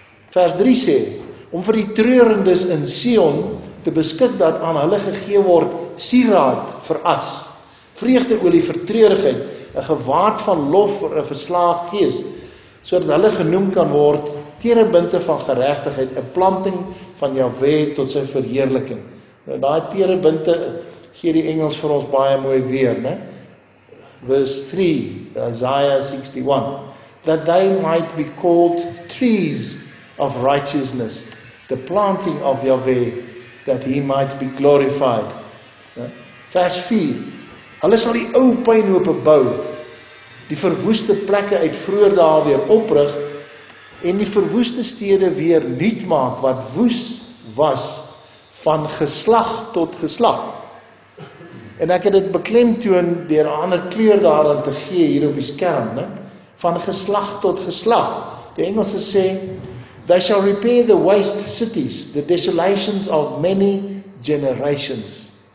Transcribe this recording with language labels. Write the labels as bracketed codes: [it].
[af] Vers 3 sê, om vir die treurendes in Sion te beskik dat aan hulle gegee word sieraad vir as, vreugdeolie vir treurigheid, 'n gewaad van lof vir 'n verslaag gees, sodat hulle genoem kan word terebinte van geregtigheid, 'n planting van Jahwe tot sy verheerliking. En daai terebinte gee die Engels vir ons baie mooi weer, ne? [en] Vers 3, Isaiah 61, that they might be called trees of righteousness, the planting of Jahwe, that he might be glorified. [af] Vers 4, hulle sal die ou pynhope bou, die verwoeste plekke uit vroeër dae weer oprig, en die verwoeste stede weer nuut maak wat woes was van geslag tot geslag. En ek het dit beklemtoon deur 'n ander kleur daaraan te gee hier op die skerm, ne? Van geslag tot geslag. Die Engelse sê, [en] "They shall repair the waste cities, the desolations of many generations."